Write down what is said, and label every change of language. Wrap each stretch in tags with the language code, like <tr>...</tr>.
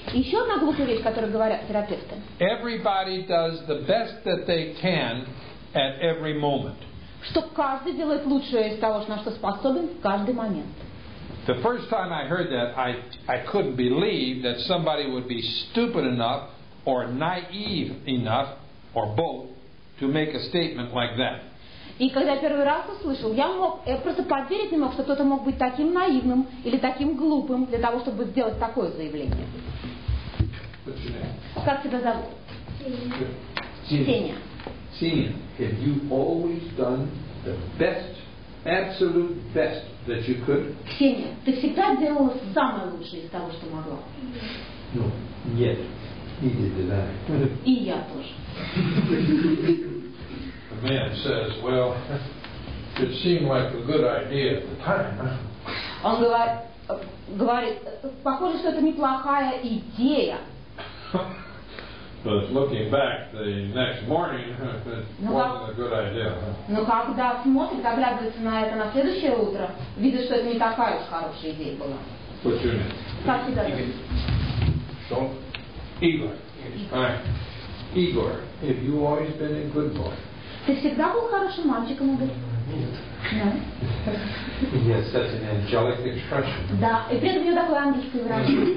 <ru>Еще одна глупая вещь, которую говорят терапевты.</ru> <en>Everybody does the best that they can at every moment.</en> <ru>Что каждый делает лучшее из того, на что способен в каждый момент.</ru> <en>The first time I heard that, I couldn't believe that somebody would be stupid enough or naive enough or both to make a statement like that.</en> <ru>И когда я первый раз услышал, я мог, я просто поверить не мог, что кто-то мог быть таким наивным или таким глупым для того, чтобы сделать такое заявление. Как тебя зовут? Ксения.</ru> <en>Ксения, have you always done the best, absolute best that you could?</en> <ru>Ксения, ты всегда делала самое лучшее из того, что могла?</ru> <en>No,</en> <ru>нет,</ru> <en>neither did I.</en> <ru>И я тоже.</ru> <en>The man says, well, it seemed like a good idea at the time.</en> <ru>Он говорит, похоже, что это неплохая идея.</ru> <en>But looking back the next morning, it wasn't a good idea.</en> <ru>Но когда смотрит, оглядывается на это на следующее утро, видит, что это не такая уж хорошая идея была.</ru> <en>What's your name? Igor. Hi. Igor, have you always been a good boy?</en> <ru>Ты всегда был хорошим мальчиком, Игорь? Нет.</ru> <en>Yes, that's an angelic expression.</en> <ru>Да, и при этом у него такой ангельский врач.</ru>